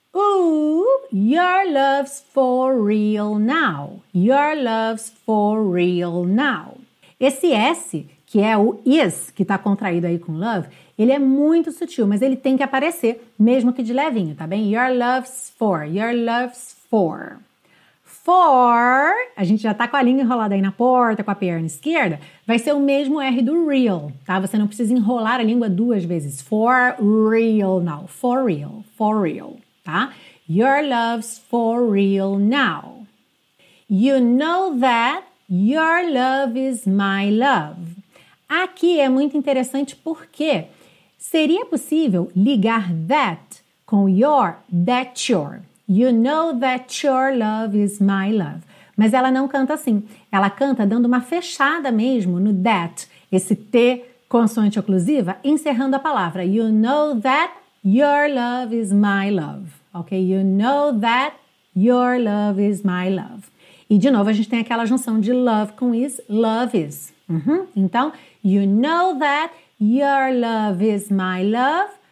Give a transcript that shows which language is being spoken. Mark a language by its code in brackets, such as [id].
[en] Ooh, your love's for real now. Your love's for real now. [pt] Esse S, que é o is, que está contraído aí com love, ele é muito sutil, mas ele tem que aparecer, mesmo que de levinho, tá bem? [en] Your love's for, your love's for. [pt] For, a gente já tá com a língua enrolada aí na porta, com a perna esquerda, vai ser o mesmo R do real, tá? Você não precisa enrolar a língua duas vezes. [en] For real, now. For real, for real. [pt] tá? [en] Your love's for real now. You know that your love is my love. [pt] Aqui é muito interessante porque seria possível ligar that com your, [en] that your. You know that your love is my love. [pt] Mas ela não canta assim. Ela canta dando uma fechada mesmo no that, esse T consoante oclusiva, encerrando a palavra. [en] You know that your love is my love. Ok? You know that your love is my love. [pt] E de novo, a gente tem aquela junção de love com is, [en] love is. Uhum. [pt] Então, [en] you know that your love is my love.